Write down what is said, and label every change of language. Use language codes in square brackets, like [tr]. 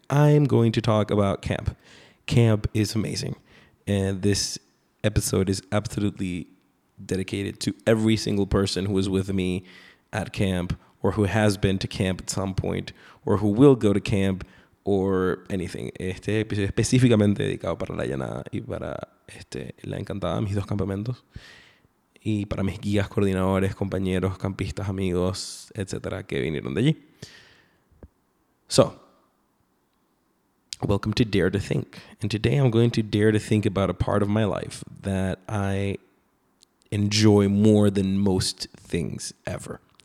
[en] I'm going to talk about camp. Camp is amazing. And this episode is absolutely dedicated to every single person who was with me at camp or who has been to camp at some point or who will go to camp or anything. [es] Este episodio es específicamente dedicado para la llanada y para la encantada, mis dos campamentos, y para mis guías, coordinadores, compañeros, campistas, amigos, etcétera, que vinieron de allí. [en] So, welcome to Dare to Think. And today I'm going to dare to think about a part of my life that I enjoy more than most things ever.